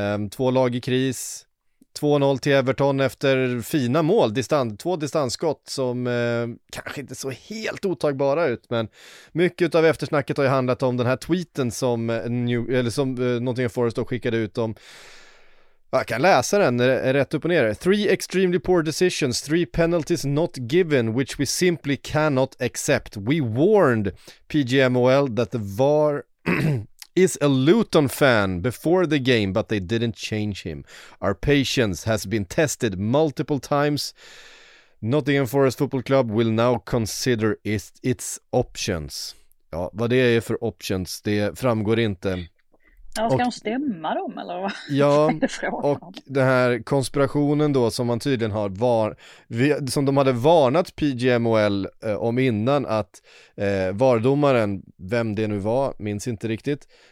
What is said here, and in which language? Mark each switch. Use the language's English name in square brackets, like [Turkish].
[Swedish] Två lag i kris. 2-0 till Everton efter fina mål. Två distansskott som kanske inte så helt otagbara ut. Men mycket av eftersnacket har ju handlat om den här tweeten som Nottingham Forest då skickade ut om. Jag kan läsa den rätt upp och ner. [English] 3 extremely poor decisions, 3 penalties not given, which we simply cannot accept. We warned PGMOL that the VAR is a Luton fan before the game, but they didn't change him. Our patience has been tested multiple times. Nottingham Forest Football Club will now consider its options. [Swedish] Ja, vad det är för options, det framgår inte. Ja, ska de stämma dem eller vad? Ja, och den här konspirationen då som man tydligen har som de hade varnat PGMOL om innan, att vardomaren, vem det nu var, minns inte riktigt.